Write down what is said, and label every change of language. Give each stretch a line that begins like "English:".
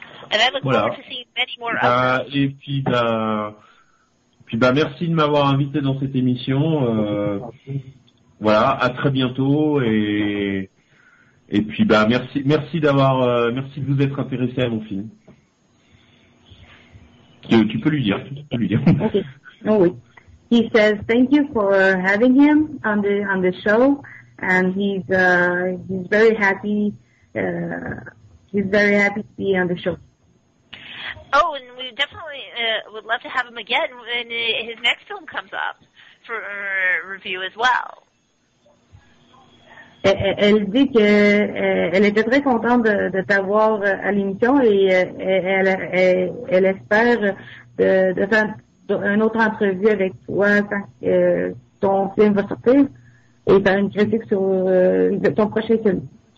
English: And I look forward to seeing many more of them.
French: Et puis, merci de m'avoir invité dans cette émission. À très bientôt et puis merci de vous être intéressé à mon film. Tu peux lui dire. Okay. Oh, oui.
English: He says thank you for having him on the show, and he's very happy to be on the show. Oh, and we definitely would love to have him again when his next film comes up for review as well.
French: Elle dit que elle était très contente de t'avoir à l'émission et elle espère de faire une autre entrevue avec toi quand ton film va sortir et faire une critique sur ton prochain film.